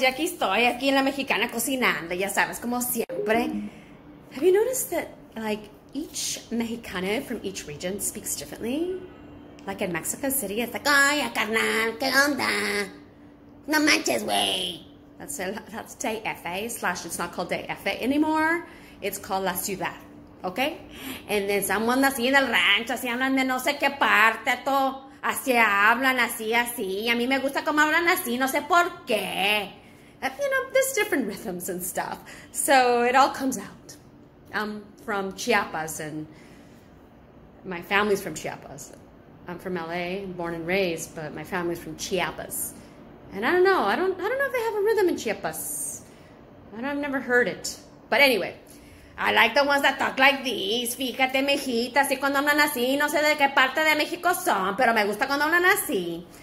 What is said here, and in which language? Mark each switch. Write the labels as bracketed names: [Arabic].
[Spanish] Y aquí estoy, aquí en La Mexicana, cocinando, ya sabes, como siempre. [English] Have you noticed that, like, each Mexicano from each region speaks differently? Like, in Mexico City, it's like, [Spanish] ¡ay, carnal, qué onda! ¡No manches, güey! [English] That's day FA, slash, it's not called day FA anymore. It's called La Ciudad, okay? And then someone that's in [Spanish] el rancho, así hablan de no sé qué parte, todo. Así hablan, así, así. A mí me gusta cómo hablan así, no sé por qué. [English] You know, there's different rhythms and stuff. So it all comes out. I'm from Chiapas, and my family's from Chiapas. I'm from LA, born and raised, but my family's from Chiapas. And I don't know. I don't know if they have a rhythm in Chiapas. I've never heard it. But anyway, I like the ones that talk like this. [Spanish] Fíjate, mijita, así cuando hablan así. No sé de qué parte de México son, pero me gusta cuando hablan así.